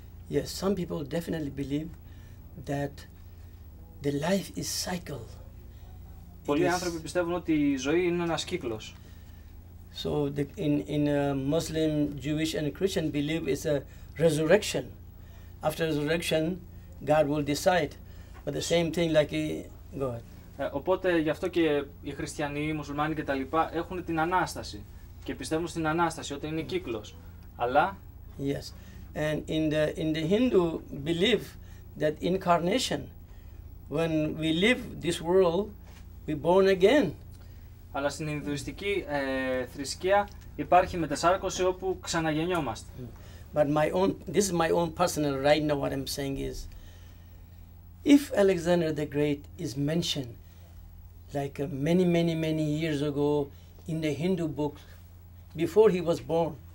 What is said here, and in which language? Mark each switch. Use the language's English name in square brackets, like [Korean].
[English] Yes, some people definitely believe that the life is cycle. [Greek] Πολλοί άνθρωποι πιστεύουν ότι η ζωή είναι ένας κύκλος. [English] So the, in Muslim, Jewish, and Christian belief is a resurrection. After resurrection, God will decide. But the same thing like go ahead. [Greek] Οπότε γι' αυτό και οι χριστιανοί, οι μουσουλμάνοι και τα λοιπά έχουν την ανάσταση και πιστεύουν στην ανάσταση ότι είναι κύκλος. Αλλά [English] yes, and in the Hindu belief that incarnation, when we leave this world, we born again. [Greek] Αλλά στην Ινδουιστική θρησκεία υπάρχει μετεσάρκωση όπου ξαναγεννιόμαστε. [English] But my own, this is my own personal right now what I'm saying is, if Alexander the Great is mentioned like many, many, many years ago in the Hindu books before he was born.